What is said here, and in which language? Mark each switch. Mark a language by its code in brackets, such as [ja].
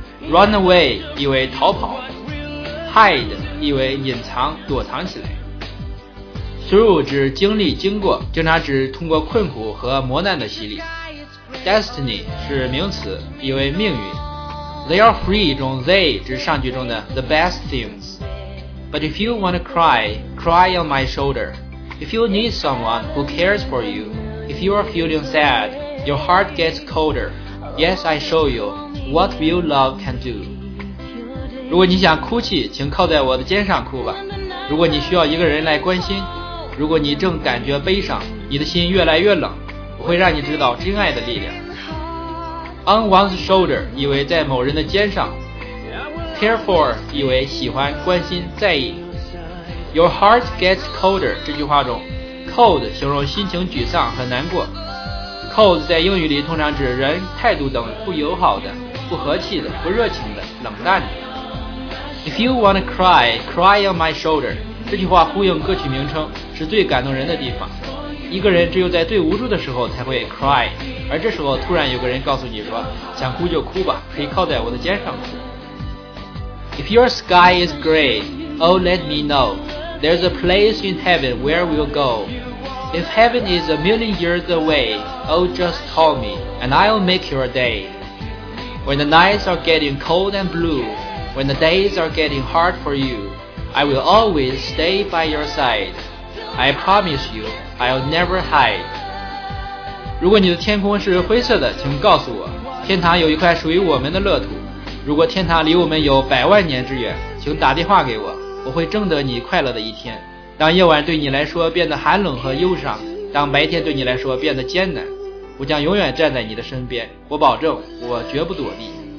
[zh] Run away 意为逃跑， Hide 意为隐藏、躲藏起来。 Through 指经历、经过，经常指通过困苦和磨难的洗礼。 Destiny 是名词，意为命运。 [en] They are free [zh] 中 they 指上句中的 [en] the best things. But if you want to cry, cry on my shoulder. If you need someone who cares for you. If you are feeling sad, your heart gets colder. Yes, I show you what real love can do. [zh] 如果你想哭泣，请靠在我的肩上哭吧。如果你需要一个人来关心，如果你正感觉悲伤，你的心越来越冷，我会让你知道真爱的力量。 On one's shoulder 意为在某人的肩上， Care for 意为喜欢、关心、在意。 [en] Your heart gets colder [zh] 这句话中 Cold 形容心情沮丧和难过。 Cold 在英语里通常指人态度等不友好的、不和气的、不热情的、冷淡的。 [en] If you wanna cry, cry on my shoulder [zh] 这句话呼应歌曲名称，是最感动人的地方。一个人只有在最无助的时候才会 cry， 而这时候突然有个人告诉你说，想哭就哭吧，可以靠在我的肩上哭。 [en] If your sky is gray, oh let me know, there's a place in heaven where we'll go. If heaven is a million years away, oh just call me, and I'll make your day. When the nights are getting cold and blue, when the days are getting hard for you, I will always stay by your side. I promise you, I'll never hide. [zh] 如果你的天空是灰色的，请告诉我，天堂有一块属于我们的乐土。如果天堂离我们有百万年之远，请打电话给我，我会征得你快乐的一天。当夜晚对你来说变得寒冷和忧伤，当白天对你来说变得艰难，我将永远站在你的身边，我保证我绝不躲避。